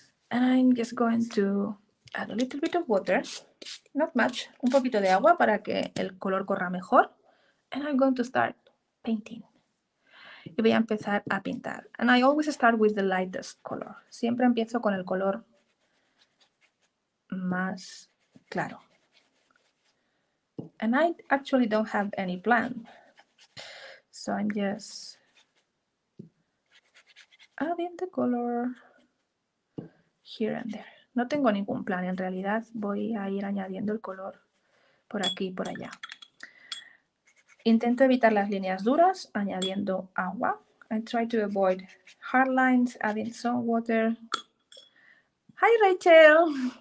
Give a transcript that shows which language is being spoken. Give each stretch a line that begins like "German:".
English: And I'm just going to add a little bit of water. Not much.
Spanish: Un poquito de agua para que el color corra mejor.
English: And I'm going to start painting.
Spanish: Y voy a empezar a pintar.
English: And I always start with the lightest color.
Spanish: Siempre empiezo con el color más claro.
English: And I actually don't have any plan. So I'm just adding the color here and there.
Spanish: No tengo ningún plan en realidad. Voy a ir añadiendo el color por aquí y por allá. Intento evitar las líneas duras añadiendo agua.
English: I try to avoid hard lines, adding some water. Hi, Rachel.